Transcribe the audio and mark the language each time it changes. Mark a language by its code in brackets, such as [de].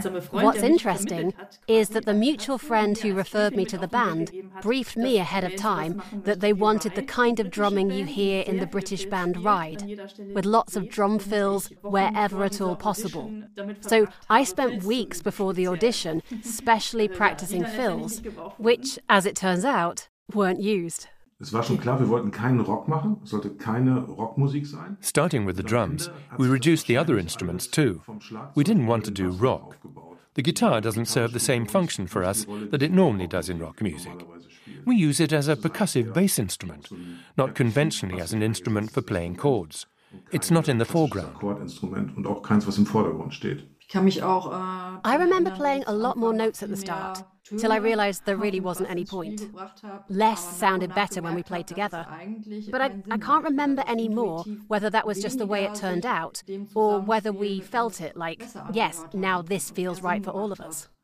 [en] What's interesting is that the mutual friend who referred me to the band briefed me ahead of time that they wanted the kind of drumming you hear in the British band Ride, with lots of drum fills wherever at all possible. So I spent weeks before the audition specially practicing fills, which, as it turns out, weren't used. [de] Es war schon klar, wir wollten keinen Rock machen, es sollte keine Rockmusik sein. [en] Starting with the drums, we reduced the other instruments too. We didn't want to do rock. The guitar doesn't serve the same function for us that it normally does in rock music. We use it as a percussive bass instrument, not conventionally as an instrument for playing chords. It's not in the foreground. [de] Und auch keins, was im Vordergrund steht. [en] I remember playing a lot more notes at the start, till I realized there really wasn't any point. Less sounded better when we played together. But I can't remember any more whether that was just the way it turned out, or whether we felt it like, yes, now this feels right for all of us.